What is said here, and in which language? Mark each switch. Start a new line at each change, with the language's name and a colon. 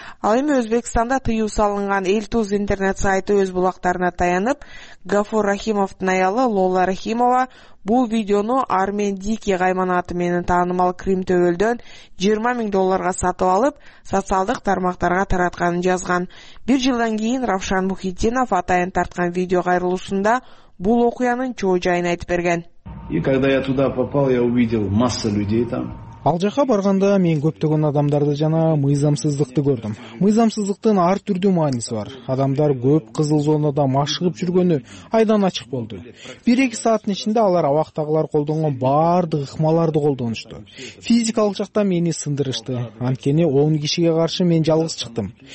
Kyrgyz: Ал эми Өзбекстанда тыюу салынган Элтуз интернет сайты өз булактарына таянып, Гафур Рахимовдун аялы Лола Рахимова бул видеону Армен Дики кайманаты менен таанымал Крим төбөлдөн 20,000 долларга сатып алып, социалдык тармактарга таратканын жазган. Бир жылдан кийин Равшан Мухитинов атайын тарткан видео кайрылуусунда бул окуянын чоо жайын айтып берген.
Russian: И когда я туда попал, я увидел масса людей там.
Kyrgyz: Ал жака барганда мен көптөгөн адамдарды жана мыйзамсыздыкты көрдүм. Мыйзамсыздыктын ар түрдүү мааниси бар. Адамдар көп кызыл зонада машыгып жүргөнү айдан ачык болду. 1-2 сааттын ичинде алар абактагылар колдонгон баардык ыкмаларды колдонушту. Физикалык жактан мени сындырышты. Анткени 10 кишиге каршы мен жалгыз чыктым.